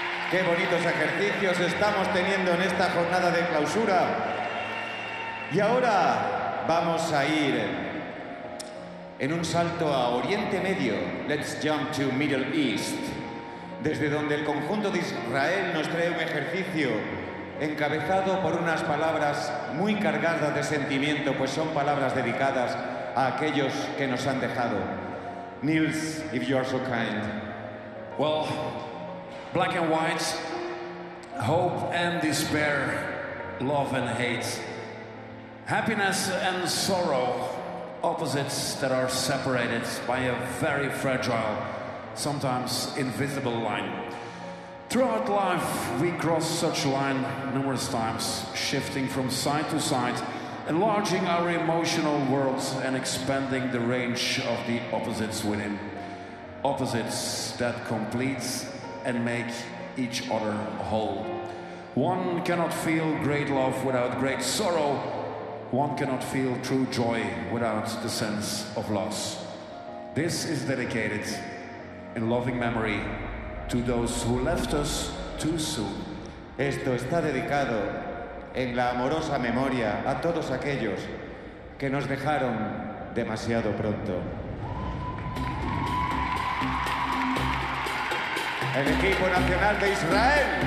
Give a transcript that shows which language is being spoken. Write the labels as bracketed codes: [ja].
[es] Qué bonitos ejercicios estamos teniendo en esta jornada de clausura. Y ahora vamos a ir en un salto a Oriente Medio. [en] Let's jump to Middle East. [es] Desde donde el conjunto de Israel nos trae un ejercicio encabezado por unas palabras muy cargadas de sentimiento, pues son palabras dedicadas a aquellos que nos han dejado. [en] Nils, if you are so kind. Well, black and white, hope and despair, love and hate, happiness and sorrow, opposites that are separated by a very fragile, sometimes invisible line. Throughout life, we cross such line numerous times, shifting from side to side, enlarging our emotional worlds and expanding the range of the opposites within. Opposites that complete and make each other whole. One cannot feel great love without great sorrow. One cannot feel true joy without the sense of loss. This is dedicated in loving memory to those who left us too soon. [es] Esto está dedicado en la amorosa memoria a todos aquellos que nos dejaron demasiado pronto. El equipo nacional de Israel.